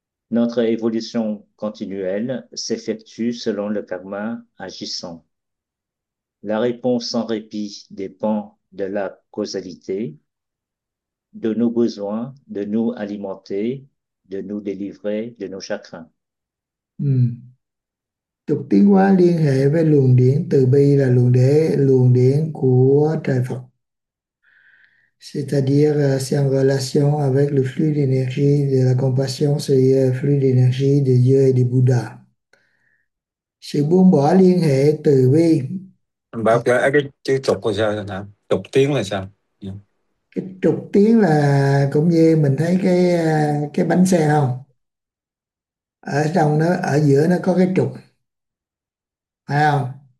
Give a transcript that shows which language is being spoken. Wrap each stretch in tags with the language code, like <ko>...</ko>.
<fr>Notre évolution continuelle s'effectue selon le karma agissant. La réponse sans répit dépend de la causalité, de nos besoins, de nous alimenter, de nous délivrer de nos chagrins.</fr> <vi>Trục tiến hóa liên hệ với luồng điển từ bi là luồng điển của trời Phật.</vi> <fr>C'est-à-dire, c'est en relation avec le flux d'énergie de la compassion, c'est le flux d'énergie de Dieu et du Bouddha.</fr> <vi>Sự buông bỏ liên hệ từ bi. Báo cái chữ tục là sao? Tục tiếng là sao? Cái trục tiến là cũng như mình thấy cái bánh xe không? Ở trong nó, ở giữa nó có cái trục, phải không?</vi>